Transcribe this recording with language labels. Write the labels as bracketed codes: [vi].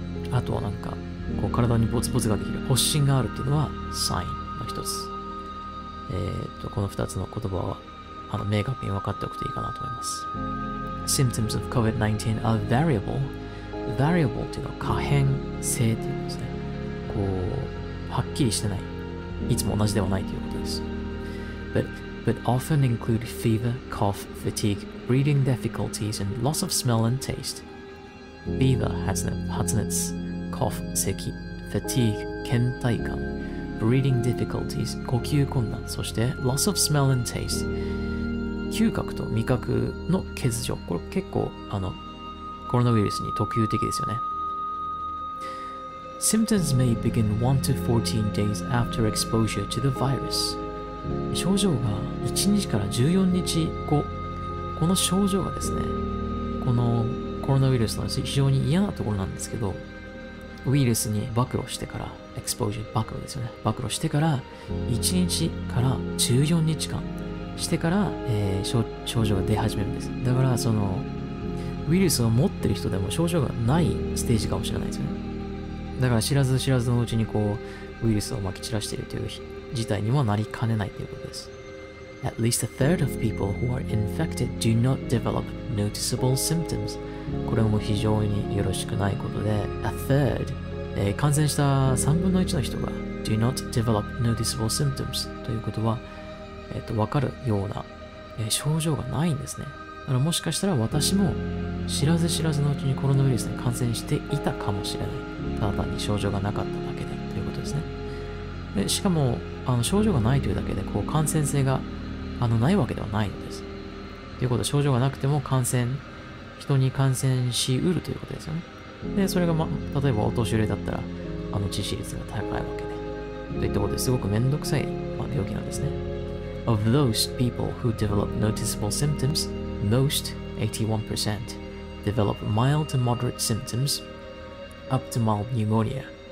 [ja] あとは、なんか、こう体にボツボツができる。発疹があるっていうのはサインの一つ。この二つの言葉は、明確に分かっておくといいかなと思います。 [en] Symptoms of COVID-19 are variable. Variable [ja] っていうのは可変性っていうことですね。こう、はっきりしてない。いつも同じではないということです。 [en] But often include fever, cough, fatigue, breathing difficulties, and loss of smell and taste. Fever, 発熱。cough, 咳, fatigue, 倦怠感, breathing difficulties, 呼吸困難, そして loss of smell and taste, [ja] 嗅覚と味覚の欠如。これ結構、コロナウイルスに特有的ですよね。 [en] Symptoms may begin 1 to 14 days after exposure to the virus. [ja] 症状が1日から14日後。この症状がですね、このコロナウイルスの非常に嫌なところなんですけど、ウイルスに暴露してから、エクスポージュ、暴露ですよね。暴露してから、1日から14日間してから、症状が出始めるんです。だから、その、ウイルスを持ってる人でも症状がないステージかもしれないですよね。だから、知らず知らずのうちにこう、ウイルスを撒き散らしているという事態にもなりかねないということです。 [en] At least a third of people who are infected do not develop noticeable symptoms. [ja] これも非常によろしくないことで、a third、感染した3分の1の人が [en] do not develop noticeable symptoms [ja] ということは、分かるような、症状がないんですね。だからもしかしたら私も知らず知らずのうちにコロナウイルスに感染していたかもしれない。ただ単に症状がなかっただけでということですね。でしかも、症状がないというだけで、こう、感染性が、ないわけではないのです。ということは、症状がなくても感染、人に感染しうるということですよね。で、それが、例えば、お年寄りだったら、致死率が高いわけで。といったことで、すごくめんどくさい、病気なんですね。 [en] Of those people who develop noticeable symptoms, most, 81%, develop mild to moderate symptoms, up to mild pneumonia.